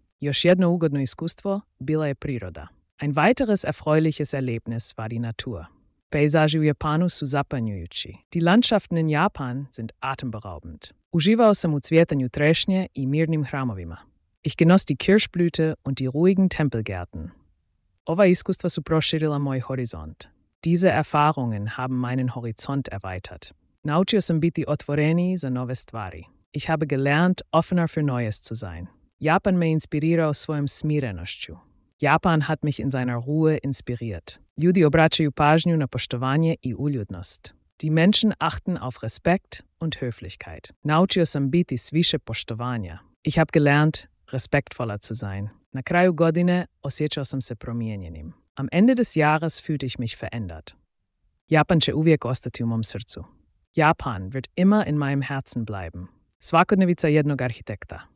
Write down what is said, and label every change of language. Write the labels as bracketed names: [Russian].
[Croatian] Još jedno ugodno iskustvo bila je priroda. [German] Ein weiteres erfreuliches Erlebnis war die Natur. [Croatian] Paisaži u Japanu su zapanjujući. [German] Die Landschaften in Japan sind atemberaubend. [Croatian] Uživao sam u cvjetanju trešnje i mirnim hramovima. [German] Ich genoss die Kirschblüte und die ruhigen Tempelgärten. [Croatian] Ova iskustva su proširila moj horizont. [German] Diese Erfahrungen haben meinen Horizont erweitert. [Croatian] Naučio sam biti otvoreni za nove stvari. [German] Ich habe gelernt, offener für Neues zu sein. [Croatian] Japan me inspirirao svojom smirenošću. [German] Japan hat mich in seiner Ruhe inspiriert. [Croatian] Ljudi obraćaju pažnju na poštovanje i uljudnost. [German] Die Menschen achten auf Respekt und Höflichkeit. [Croatian] Naučio sam biti s više poštovanja. [German] Ich habe gelernt, respektvoller zu sein. [Croatian] Na kraju godine osjećao sam se promijenjenim. [German] Am Ende des Jahres fühlte ich mich verändert. [Croatian] Japan će uvijek ostati u mom srcu. [German] Japan wird immer in meinem Herzen bleiben. [Croatian] Svakodnevica jednog arhitekta.